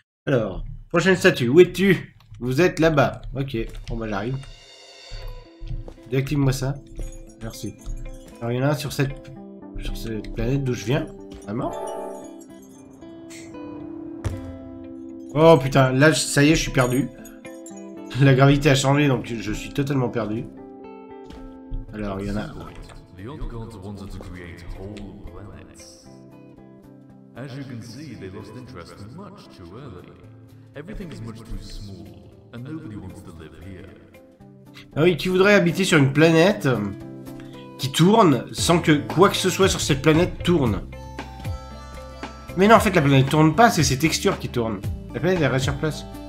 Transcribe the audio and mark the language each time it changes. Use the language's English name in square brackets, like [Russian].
[French] Alors, prochaine statue, où es-tu? Vous êtes là-bas. Ok, bon bah j'arrive. Déactive-moi ça. Merci. Alors il y en a un sur cette planète d'où je viens. Vraiment? Oh putain, là ça y est, je suis perdu. La gravité a changé donc je suis totalement perdu. Alors il y en a. [English] The old gods wanted to create whole planets. As you can see, they lost interest much too early. Everything is much too small and nobody wants to live here. [French] Ah oui, qui voudrait habiter sur une planète qui tourne sans que quoi que ce soit sur cette planète tourne. Mais non, en fait, la planète tourne pas, c'est ses textures qui tournent. La planète, elle reste sur place.